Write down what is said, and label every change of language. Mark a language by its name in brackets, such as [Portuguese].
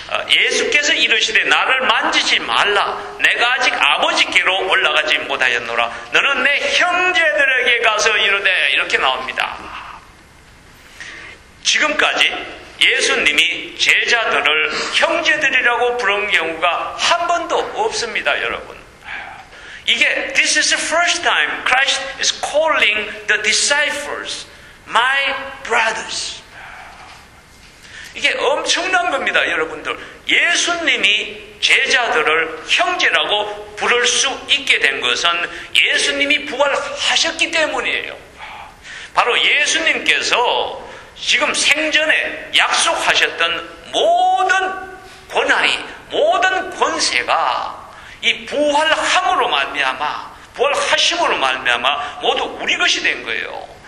[Korean] 예수께서 이르시되 나를 만지지 말라 내가 아직 아버지께로 올라가지 못하였노라 너는 내 형제들에게 가서 이르되 이렇게 나옵니다. 지금까지 예수님이 제자들을 형제들이라고 부른 경우가 한 번도 없습니다. 여러분 이게 [English] This is the first time Christ is calling the disciples my brothers. [Korean] 이게 엄청난 겁니다, 여러분들. 예수님이 제자들을 형제라고 부를 수 있게 된 것은 예수님이 부활하셨기 때문이에요. 바로 예수님께서 지금 생전에 약속하셨던 모든 권한이, 모든 권세가 이 부활함으로 말미암아, 부활하심으로 말미암아 모두 우리 것이 된 거예요.